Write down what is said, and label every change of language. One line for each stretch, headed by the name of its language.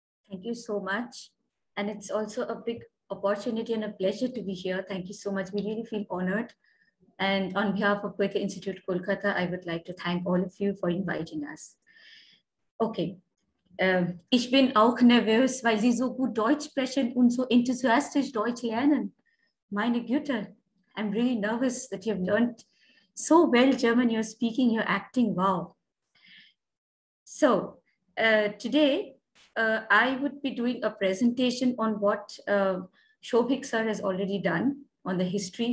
English: Thank you so much. And it's also a big opportunity and a pleasure to be here. Thank you so much. We really feel honored. And on behalf of Goethe Institut Kolkata, I would like to thank all of you for inviting us. Okay.
German: Ich bin auch nervös, weil Sie so gut Deutsch sprechen und so enthusiastisch Deutsch lernen. Meine Güte,
English: I'm really nervous that you've learned so well German. You're speaking, you're acting, wow. So today I would be doing a presentation on what Souvik sir has already done on the history.